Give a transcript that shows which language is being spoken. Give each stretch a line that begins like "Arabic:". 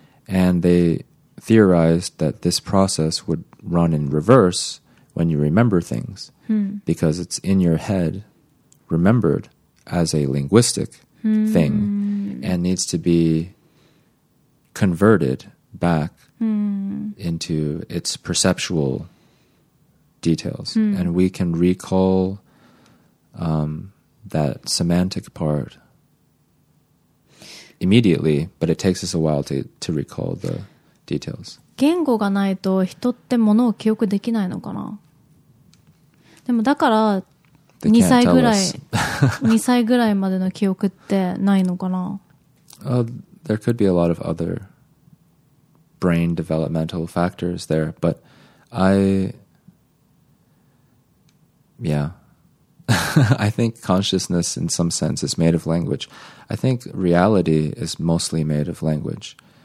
English: And they theorized that this process would run in reverse when you remember things because it's in your head remembered as a linguistic thing and needs to be converted back into its perceptual details. And we can recall that semantic part immediately, but it takes us a while to recall the details.
Japanese: 言語がないと人ってものを記憶できないのかな。でもだから2歳ぐらい2歳ぐらいまでの記憶ってないのかな。
English: There could be a lot of other brain developmental factors there, but I think consciousness in some sense is made of language. I think reality is mostly made of language.